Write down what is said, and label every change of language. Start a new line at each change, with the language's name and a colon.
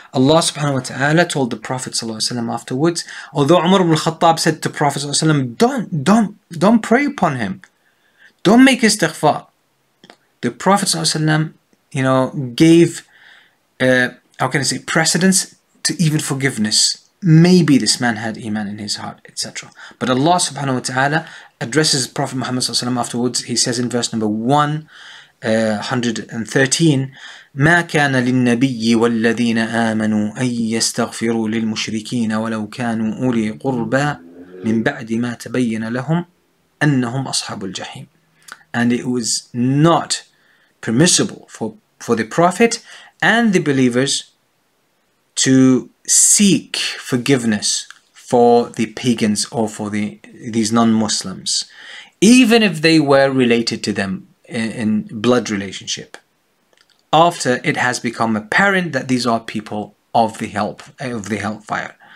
English: Allah subhanahu wa ta'ala told the Prophet afterwards, although Umar ibn Khattab said to Prophet, don't pray upon him. Don't make istighfar. The Prophet, you know, gave, how can I say, precedence to even forgiveness. Maybe this man had iman in his heart, etc. But Allah subhanahu wa ta'ala addresses Prophet Muhammad sallallahu alaihi wasallam afterwards. He says in verse number 113,
Arabic: ما كان للنبي والذين آمنوا أن يستغفروا للمشركين ولو كانوا أولي قربى من بعد ما تبين لهم أنهم أصحاب الجحيم.
English: And it was not permissible for the Prophet and the believers to seek forgiveness for the pagans or for these non-Muslims, even if they were related to them in blood relationship, after it has become apparent that these are people of the hellfire.